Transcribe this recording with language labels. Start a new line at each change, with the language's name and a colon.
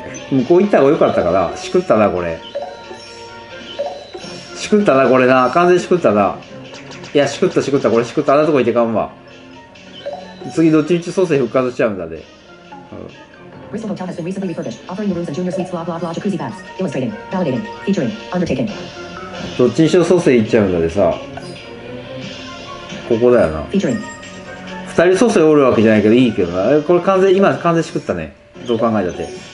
Japanese: 向こう行った方がよかったから、しくったな、これ。しくったな、これな。完全にしくったな。いや、しくったしくった、これしくった。あんなとこ行ってかんわ。次、どっちみち蘇生復活しちゃうんだね。うん。
English: Bristol Hotel has been recently refurbished, offering the rooms and junior suites, blah blah blah, jacuzzi baths, demonstrating, validating, featuring, undertaking.
Japanese: どっちにしろ蘇生行っちゃうんだでさ、ここだよな。 Featuring. 二人蘇生おるわけじゃないけどいいけどな。これ完全今完全しくったね。どう考えたって。